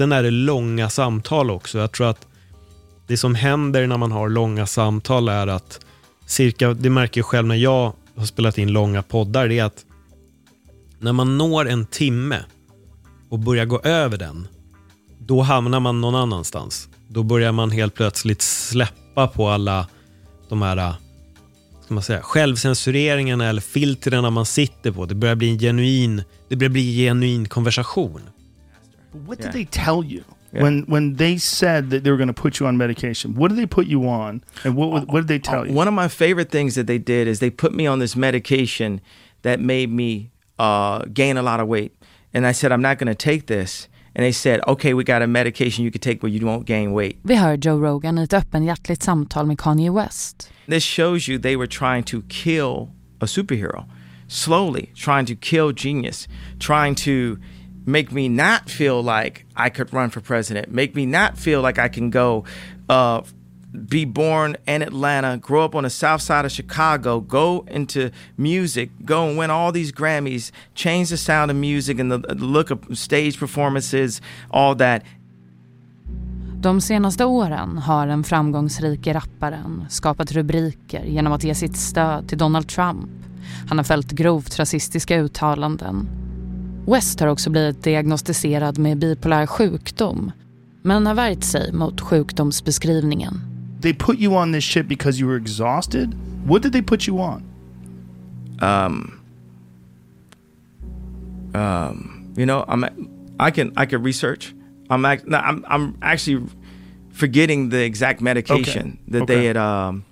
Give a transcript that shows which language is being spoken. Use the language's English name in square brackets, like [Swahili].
[Swedish] Sen är det långa samtal också. Jag tror att det som händer när man har långa samtal är att cirka, det märker jag själv när jag har spelat in långa poddar, det är att när man når en timme och börjar gå över den, då hamnar man någon annanstans. Då börjar man helt plötsligt släppa på alla de här, ska man säga, självcensureringarna eller filtren man sitter på. Det börjar bli en genuin konversation. [English] What did they tell you when they said that they were going to put you on medication? What did they put you on, and what did they tell you? One of my favorite things that they did is they put me on this medication that made me gain a lot of weight, and I said I'm not going to take this. And they said, okay, we got a medication you could take where you won't gain weight. [Swedish] Vi hör Joe Rogan i ett öppenhjärtligt samtal med Kanye West. [English] This shows you they were trying to kill a superhero. Slowly trying to kill genius. Trying to make me not feel like I could run for president. Make me not feel like I can go be born in Atlanta, grow up on the south side of Chicago, go into music, go and win all these Grammys, change the sound of music and the look of stage performances, all that. [Swedish] De senaste åren har den framgångsrike rapparen skapat rubriker genom att ge sitt stöd till Donald Trump. Han har fällt grovt rasistiska uttalanden. West har också blivit diagnostiserad med bipolär sjukdom, men har värjt sig mot sjukdomsbeskrivningen. [English] They put you on this shit because you were exhausted? What did they put you on? You know, I can research. I'm actually forgetting the exact medication they had.